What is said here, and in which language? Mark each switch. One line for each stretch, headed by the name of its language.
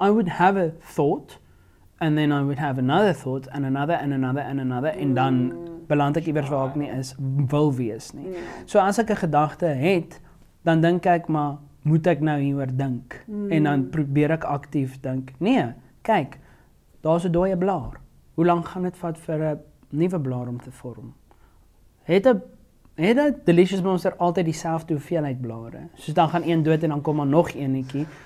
English: I would have a thought, and then I would have another thought, and another, and another, and another,
Afrikaans: en dan beland ek iewers waar ek nie is, wil wees nie. Mm. So as ek 'n gedagte het, dan dink ek, maar moet ek nou hieroor dink? Mm. En dan probeer ek aktief dink, nee, kyk, daar's 'n dooie blaar. Hoe lang gaan dit vat vir 'n nuwe blaar om te vorm? Het dat Delicious Monster altyd dieselfde hoeveelheid blare? Soos dan gaan een dood en dan kom maar nog eenetjie.